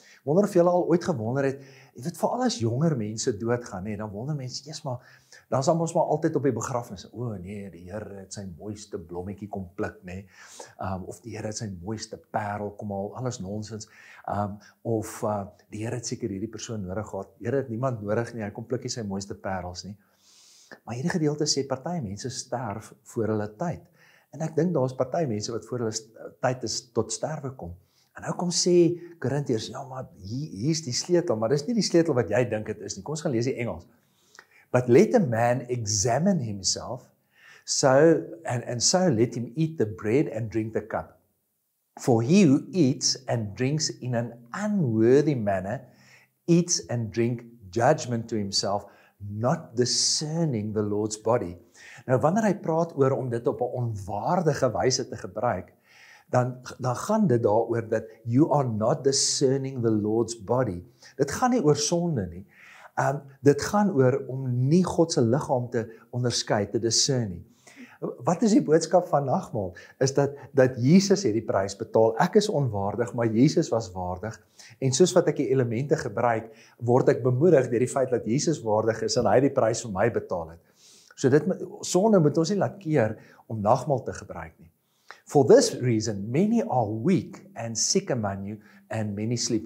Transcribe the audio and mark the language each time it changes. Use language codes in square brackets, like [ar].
[af] Wonder of julle al ooit gewonder het, jy weet veral as jonger mense doodgaan, nee, dan wonder mense, eers maar, dan sal ons maar altyd op die begrafnis, die Here het sy mooiste blommetjie kom pluk, nee, of die Here het sy mooiste parel kom al, alles nonsens, die Here het seker hierdie persoon nodig gehad, die Here het niemand nodig nie, hy kom plukkie sy mooiste parels nie. Maar hierdie gedeelte sê party mense sterf voor hulle tyd. En ek dink daar's party mense wat voor hulle tyd is tot sterwe kom. En nou kom sê Korintiërs, ja maar hier's die sleutel, maar dis nie die sleutel wat jy dink dit is nie. Kom ons gaan lees die Engels. [en] But let a man examine himself, so let him eat the bread and drink the cup. For he who eats and drinks in an unworthy manner, eats and drink judgment to himself, not discerning the Lord's body. [af] Nou, wanneer hy praat oor om dit op 'n onwaardige wyse te gebruik, dan gaan dit daaroor dat [en] you are not discerning the Lord's body. [af] Dit gaan nie oor sonde nie. Dit gaan oor om nie God se liggaam te onderskei, te discern nie. Wat is die boodskap van nagmaal? Is dat Jesus het die prys betaal. Ek is onwaardig, maar Jesus was waardig. En soos wat ek die elemente gebruik, word ek bemoedig deur die feit dat Jesus waardig is en hy die prys vir my betaal het. So dit sonde moet ons nie laat keer om nagmaal te gebruik nie. [en] For this reason, many are weak and sick among you and many sleep.